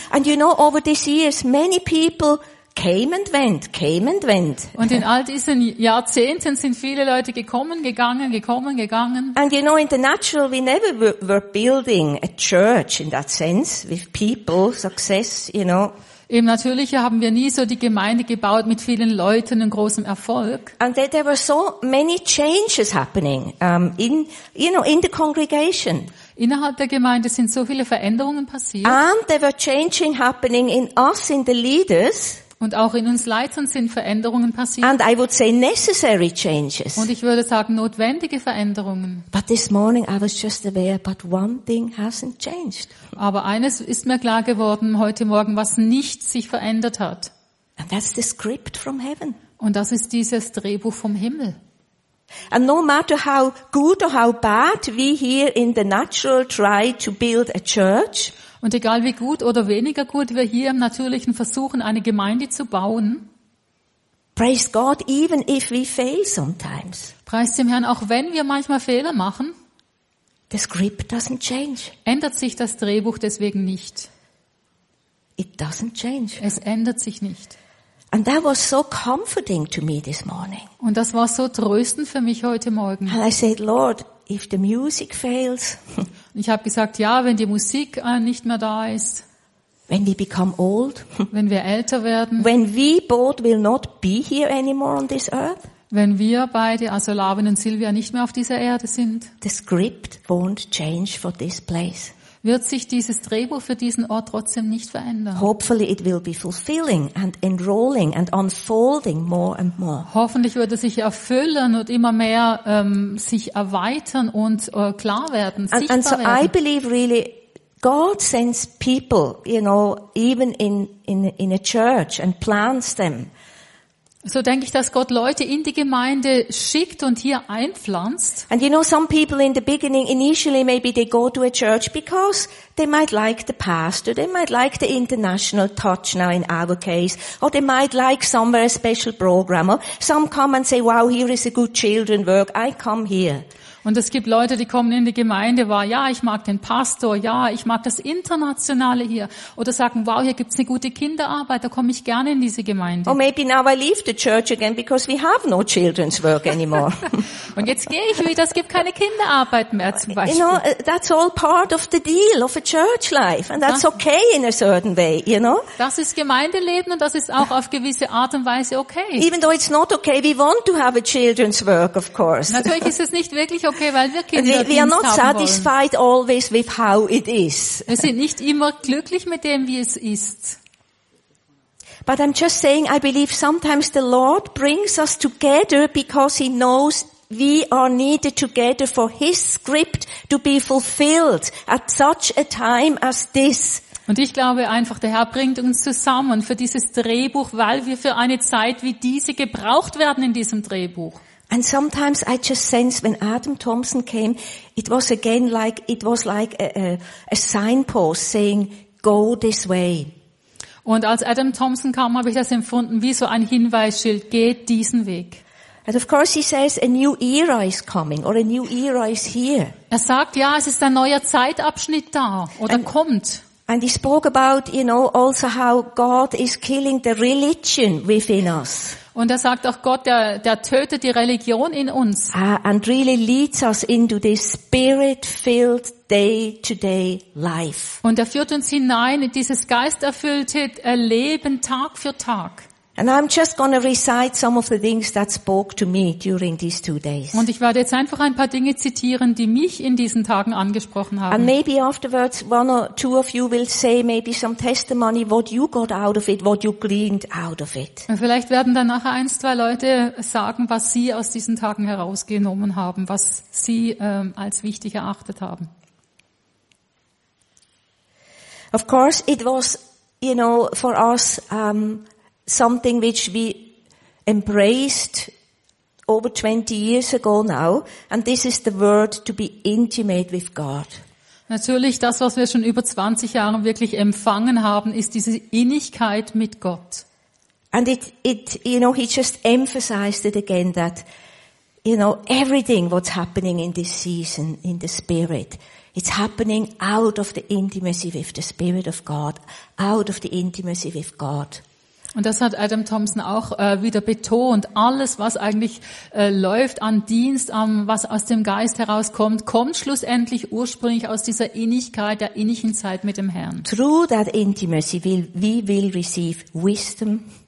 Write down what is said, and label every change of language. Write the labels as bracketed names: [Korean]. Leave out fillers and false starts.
[English] And you know, over these years, many people came and went. [German] Und in all diesen Jahrzehnten sind viele Leute gekommen, gegangen. [English] And you know, in the natural, we never were building a church in that sense with people, success, you know. [German] Im Natürlichen haben wir nie so die Gemeinde gebaut mit vielen Leuten und großem Erfolg. [English] And there were so many changes happening in the congregation. [German] Innerhalb der Gemeinde sind so viele Veränderungen passiert. [English] And there were changing happening in us, in the leaders. [German] Und auch in uns Leitern sind Veränderungen passiert. [English] And I would say necessary changes. [German] Und ich würde sagen notwendige Veränderungen. [English] But this morning I was just aware, but one thing hasn't changed. [German] Aber eines ist mir klar geworden heute Morgen, was nicht sich verändert hat. [English] And that's the script from heaven. [German] Und das ist dieses Drehbuch vom Himmel. [English] And no matter how good or how bad we here in the natural try to build a church. [German] Und egal wie gut oder weniger gut wir hier im Natürlichen versuchen, eine Gemeinde zu bauen. [English] Praise God, even if we fail sometimes. [German] Preist dem Herrn, auch wenn wir manchmal Fehler machen. [English] The script doesn't change. [German] Ändert sich das Drehbuch deswegen nicht. [English] It doesn't change. [German] Es ändert sich nicht. [English] And that was so comforting to me this morning. [German] Und das war so tröstend für mich heute Morgen. [English] And I said, Lord, if the music fails. [German] Ich habe gesagt, ja, wenn die Musik nicht mehr da ist. [English] When we become old. [German] Wenn wir älter werden. [English] When we both will not be here anymore on this earth. [German] Wenn wir beide, also Larvin und Silvia, nicht mehr auf dieser Erde sind. [English] The script won't change for this place. [German] Wird sich dieses Drehbuch für diesen Ort trotzdem nicht verändern? [English] Hopefully it will be fulfilling and enrolling and unfolding more and more. [German] Hoffentlich wird es sich erfüllen und immer mehr sich erweitern und klar werden, sichtbar werden. [English] And so I believe really God sends people, you know, even in a church and plants them. [German] So denke ich, dass Gott Leute in die Gemeinde schickt und hier einpflanzt. [English] And you know, some people in the beginning, initially maybe they go to a church because they might like the pastor, they might like the international touch now in our case, or they might like somewhere a special program, or some come and say, wow, here is a good children work, I come here. [German] Und es gibt Leute, die kommen in die Gemeinde, ja, ich mag den Pastor, ja, ich mag das Internationale hier. Oder sagen, wow, hier gibt's eine gute Kinderarbeit, da komme ich gerne in diese Gemeinde. [English] Or maybe now I leave the church again because we have no children's work anymore. [German] Und jetzt gehe ich wieder, es gibt keine Kinderarbeit mehr zum Beispiel. [English] You know, that's all part of the deal of a church life. And that's okay in a certain way, you know? [German] Das ist Gemeindeleben und das ist auch auf gewisse Art und Weise okay. [English] Even though it's not okay, we want to have a children's work, of course. [German] Natürlich ist es nicht wirklich okay, weil wir Kinderdienst haben. [English] We are not satisfied always with how it is. [German] Wir sind nicht immer glücklich mit dem, wie es ist. [English] But I'm just saying, I believe sometimes the Lord brings us together because he knows we are needed together for his script to be fulfilled at such a time as this. [German] Und ich glaube einfach, der Herr bringt uns zusammen für dieses Drehbuch, weil wir für eine Zeit wie diese gebraucht werden in diesem Drehbuch. [English] And sometimes I just sense when Adam Thompson came, it was like a signpost saying, go this way. [German] Und als Adam Thompson kam, habe ich das empfunden wie so ein Hinweisschild, geht diesen Weg. [English] And of course he says a new era is coming or a new era is here. [German] Er sagt, ja, es ist ein neuer Zeitabschnitt da oder kommt. [English] And he spoke about, you know, also how God is killing the religion within us. [German] Und er sagt auch, Gott, der tötet die Religion in uns. [English] And really leads us into this spirit-filled day-to-day life. [German] Und er führt uns hinein in dieses geisterfüllte Leben Tag für Tag. [English] And I'm just going to recite some of the things that spoke to me during these 2 days. [German] Und ich werde jetzt einfach ein paar Dinge zitieren, die mich in diesen Tagen angesprochen haben. [English] And maybe afterwards one or two of you will say maybe some testimony what you got out of it, what you gleaned out of it. [German] Und vielleicht werden dann nachher 1-2 Leute sagen, was sie aus diesen Tagen herausgenommen haben, was sie als wichtig erachtet haben. [English] Of course it was, you know, for us something which we embraced over 20 years ago now, and this is the word to be intimate with God. [German] Natürlich, das, was wir schon über 20 Jahren wirklich empfangen haben, ist diese Innigkeit mit Gott. [English] And it, you know, he just emphasized it again that, you know, everything what's happening in this season, in the spirit, it's happening out of the intimacy with the Spirit of God, out of the intimacy with God. [German] Und das hat Adam Thompson auch wieder betont. Alles, was eigentlich läuft an Dienst, was aus dem Geist herauskommt, kommt schlussendlich ursprünglich aus dieser Innigkeit, der innigen Zeit mit dem Herrn. [English] Through that intimacy we will receive wisdom.